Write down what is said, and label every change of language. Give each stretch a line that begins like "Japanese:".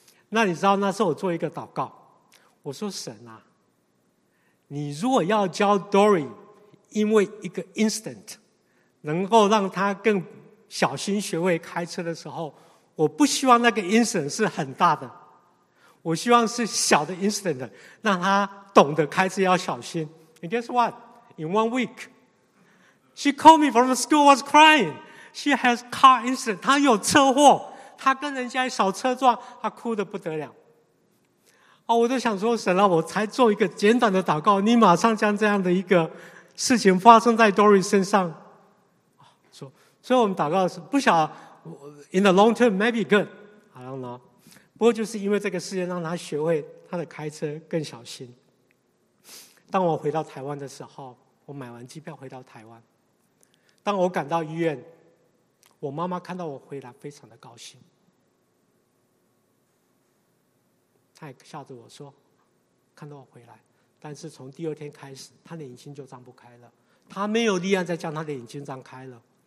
Chinese: 那你知道那时候我做一个祷告，我说神啊，你如果要教 Dory 因为一个 instant 能够让她更小心学会开车的时候，我不希望那个 instant 是很大的，我希望是小的 incident， 让他懂得开车要小心。
English: And guess what? In 1 week, she called me from the school, was crying. She has car incident.
Chinese: 她有车祸，她跟人家小车撞，她哭得不得了。哦，我就想说，神啊，我才做一个简短的祷告，你马上将这样的一个事情发生在 Dory 身上。
English: 所以我们祷告是不晓得，in the long term maybe good, I don't know.
Chinese: 不过就是因为这个事件让他学会他的开车更小心。当我回到台湾的时候，我买完机票回到台湾，当我赶到医院，我妈妈看到我回来非常的高兴，她也笑着我说看到我回来，但是从第二天开始她的眼睛就张不开了，她没有力量再将她的眼睛张开了。